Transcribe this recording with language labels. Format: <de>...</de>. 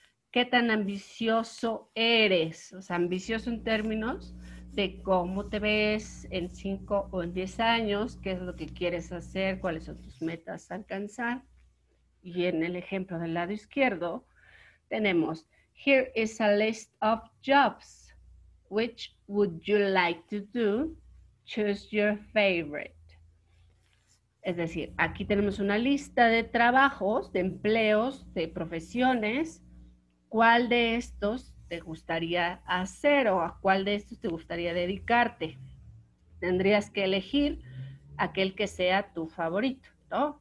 <es>¿Qué tan ambicioso eres? O sea, ambicioso en términos de cómo te ves en 5 o en 10 años, qué es lo que quieres hacer, cuáles son tus metas a alcanzar. Y en el ejemplo del lado izquierdo, tenemos,</es> <en>here is a list of jobs. Which would you like to do? Choose your favorite.</en> <es>Es decir, aquí tenemos una lista de trabajos, de empleos, de profesiones. ¿Cuál de estos te gustaría hacer o a cuál de estos te gustaría dedicarte? Tendrías que elegir aquel que sea tu favorito, ¿no?</es>